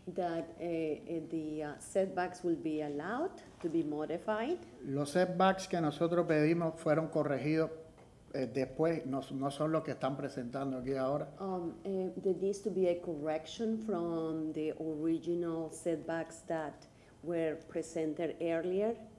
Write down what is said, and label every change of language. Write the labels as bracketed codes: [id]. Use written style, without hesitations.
[en] That the setbacks will be allowed to be modified. [es] Los setbacks que nosotros pedimos fueron corregidos después, no son los que están presentando aquí ahora. [en] There needs to be a correction from the original setbacks that were presented earlier.